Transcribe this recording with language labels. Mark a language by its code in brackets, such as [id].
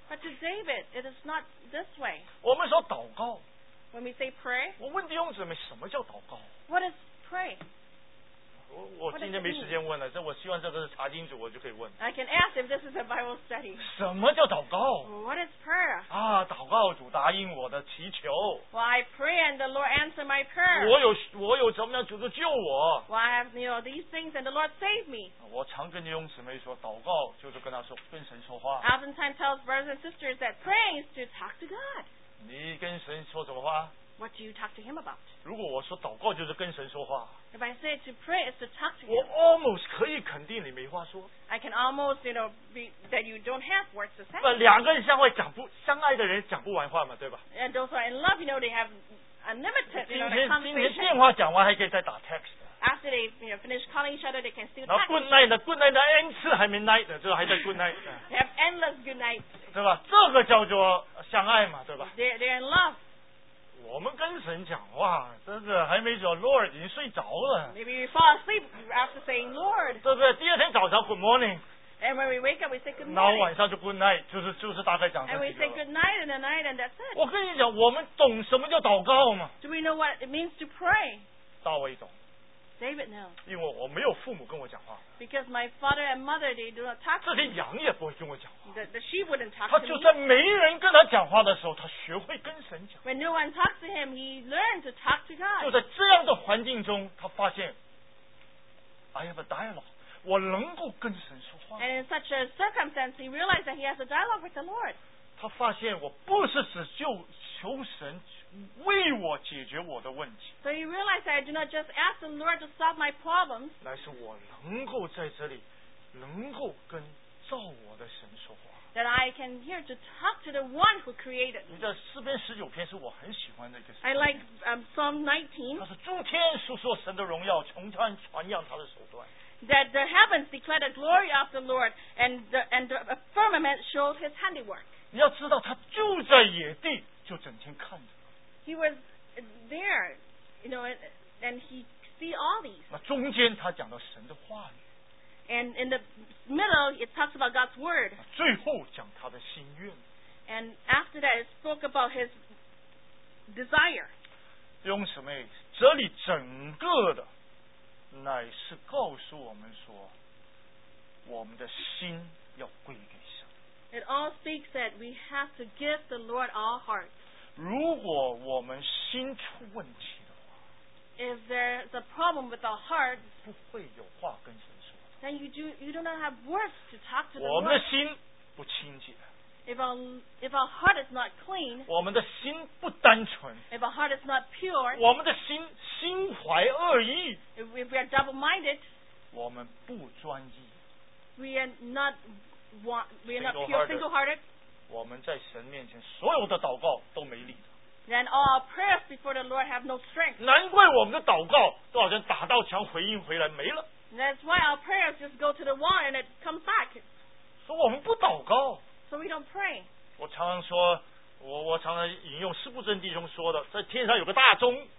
[en] But to David, it is not this way. [zh] 我们说祷告。 [en] When we say pray. [zh] 我问弟兄姊妹，什么叫祷告 [en] ？What is pray? [zh] 我今天没时间问了，这我希望这个是查经组，我就可以问。 [en] I can ask if this is a Bible study. [zh] 什么叫祷告 [en] ？What is prayer? [zh] 啊，祷告主答应我的祈求。 [en] Well, I pray and the Lord answer my prayer. [zh] 我有怎么样，主都救我。 [en] Well, I have you know these things and the Lord save me. [zh] 我常跟弟兄姊妹说，祷告就是跟他说，跟神说话。 [en] I oftentimes tell brothers and sisters that praying is to talk to God. [zh] 你跟神说什么话？ [en] What do you talk to him about? [zh] 如果我说祷告就是跟神说话。 [en] If I say to pray is to talk to him. [zh] 我 [en] almost [zh] 可以肯定你没话说。 [en] I can almost, you know, be that you don't have words to say. [zh] 不，两个人相爱讲不相爱的人讲不完话嘛，对吧 [en] ？And those who are in love, you know, they have unlimited, you know, the conversation. [zh] 今天电话讲完还可以再打 [en] text。 After they you know, finish calling each other, they can still. [zh] 然后 [en] good night [zh] 呢 ？Good night 呢 ？N 次还没 night 呢，就还在 good night。 [en] They have endless good nights. [zh] 对吧？这个叫做相爱嘛，对吧 [en] ？They're in love. [zh] 我们跟神讲话，真的还没说 Lord 已经睡着了。 [en] Maybe we fall asleep after saying Lord。 [zh] 对不对？第二天早上 [en] Good morning。 And when we wake up, we say Good morning。 [zh] 然后晚上就 [en] Good night， [zh] 就是大概讲这几个。 [en] And we say Good night and the night and that's it。 [zh] 我跟你讲，我们懂什么叫祷告吗 [en] ？Do we know what it means to pray？ [zh] 大卫懂。 [en] David knows。 [zh] 因为我没有父母跟我讲话。 [en] Because my father and mother they do not talk to me。 [zh] 这些羊也不会跟我讲话。 [en] The sheep wouldn't talk to me。 [zh] 他就算没人跟他讲话的时候，他学会跟神讲。 [en] When no one talks to him, he learned to talk to God。 [zh] 就在这样的环境中，他发现 ， [en] I have a dialogue， [zh] 我能够跟神说话。 [en] And in such a circumstance, he realized that he has a dialogue with the Lord。 [zh] 他发现我不是只就求神。为我解决我的问题。 [en] So you realize that I do not just ask the Lord to solve my problems. [zh] 乃是我能够在这里，能够跟造我的神说话。 [en] That I can hear to talk to the one who created me. [zh] 你的诗篇十九篇是我很喜欢的一个诗。 [en] I like Psalm 19. [zh] 它是诸天述说神的荣耀，穹苍传扬他的手段。 [en] That the heavens declare the glory of the Lord, and the firmament shows his handiwork. [zh] 你要知道，他住在野地，就整天看着。 [en] He was there, you know, and he see all these. [zh] 那中间他讲到神的话语。 [en] And in the middle, it talks about God's word. [zh] 最后讲他的心愿。 [en] And after that, it spoke about his desire. [zh] 用什么？这里整个的乃是告诉我们说，我们的心要归给神。 [en] It all speaks that we have to give the Lord our hearts. [zh] 如果我们心出问题的话 [en] if there's a problem with our heart, then you do not have words to talk to the Lord. If our heart is not clean, [zh] 我们的心不单纯, [en] if our heart is not pure, [zh] 我们的心怀恶意, [en] if we are double-minded, [zh] 我们不专一, [en] we are not pure, single-hearted, then all our prayers before the Lord have no strength. [zh] 难怪我们的祷告都好像打到墙回音回来没了。 [en] That's why our prayers just go to the wall and it comes back. [zh] 说我们不祷告。 [en] So we don't pray. [zh] 我常常引用施布珍弟兄说的 在天上有个大钟,